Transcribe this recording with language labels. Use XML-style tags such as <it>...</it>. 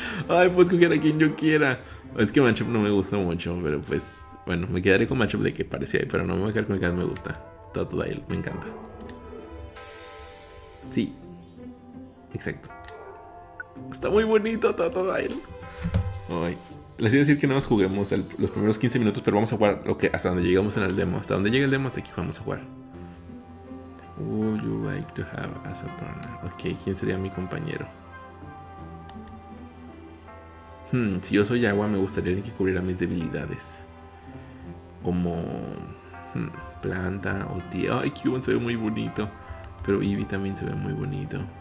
<es>Ay, puedo escoger a quien yo quiera. Es que Machop no me gusta mucho, pero pues bueno, me quedaré con Machop de que parecía, pero no me voy a quedar con el que más me gusta. Totodile, me encanta. Sí, exacto. Está muy bonito Totodile. Ay, les iba a decir que no nos juguemos los primeros 15 minutos, pero vamos a jugar hasta donde llegamos en el demo. Hasta donde llegue el demo, hasta aquí vamos a jugar.</es> <en>Would you like to have as a partner?</en> <es>Ok, ¿quién sería mi compañero? Si yo soy agua, me gustaría alguien que cubriera mis debilidades. Como planta o tierra. Ay, Cubone se ve muy bonito. Pero Eevee también se ve muy bonito.</es>